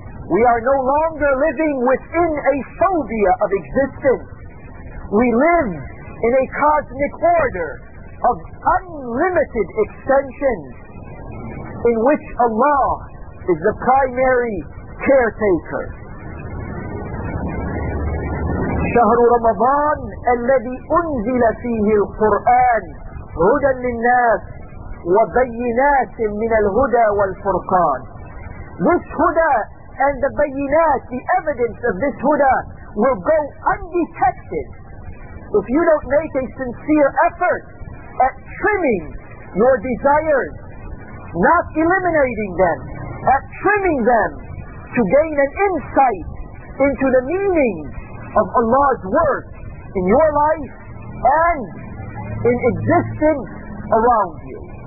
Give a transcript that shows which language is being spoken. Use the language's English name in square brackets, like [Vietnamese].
[English] We are no longer living within a phobia of existence. We live in a cosmic order of unlimited extensions in which Allah is the primary caretaker. [Arabic] شهر رمضان الذي أنزل فيه القرآن هدى للناس وبينات من الهدى والفرقان. [English] This huda and the bayinat, the evidence of this huda, will go undetected if you don't make a sincere effort at trimming your desires, not eliminating them, at trimming them to gain an insight into the meaning of Allah's work in your life and in existence around you.